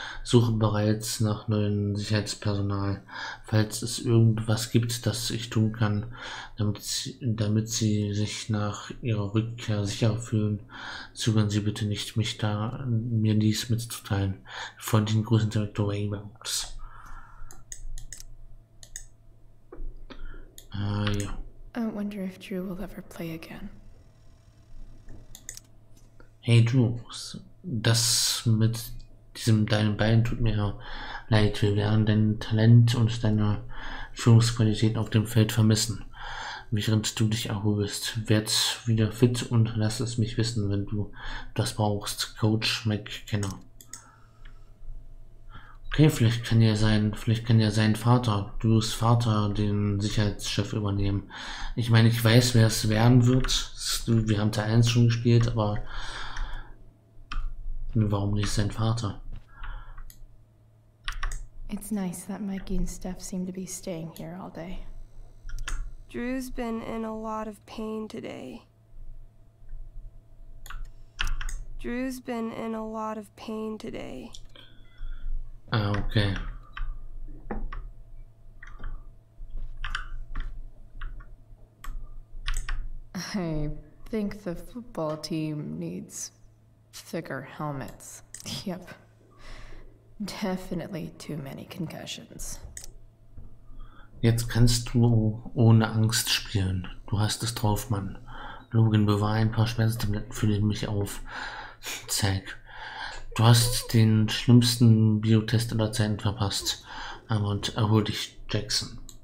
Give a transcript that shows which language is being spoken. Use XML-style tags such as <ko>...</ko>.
<de>Suche bereits nach neuen Sicherheitspersonal, falls es irgendwas gibt, das ich tun kann, damit sie sich nach ihrer Rückkehr sicher fühlen. Zögern Sie bitte nicht, mir dies mitzuteilen. Freundlichen Grüßen, Direktor Wayne-Bergs.</de> <en>I wonder if Drew will ever play again.</en> <de>Hey Drew, das mit diesem deinen Bein tut mir leid. Wir werden dein Talent und deine Führungsqualitäten auf dem Feld vermissen. Während du dich erholst, werd wieder fit und lass es mich wissen, wenn du das brauchst. Coach McKenna. Okay, vielleicht kann ja sein Vater, Drews Vater, den Sicherheitschef übernehmen. Ich meine, ich weiß, wer es werden wird. Wir haben Teil 1 schon gespielt, aber warum nicht sein Vater?</de> <en>It's nice that Mikey and Steph seem to be staying here all day. Drew's been in a lot of pain today. Drew's been in a lot of pain today. Ah, okay. I think the football team needs thicker helmets. Yep. Definitely too many concussions.</en> <de>Jetzt kannst du ohne Angst spielen. Du hast es drauf, Mann. Logan, bewahre ein paar Schmerztabletten für mich auf. Zack. Du hast den schlimmsten Biotest aller Zeiten verpasst. Und erhol dich, Jackson.</de>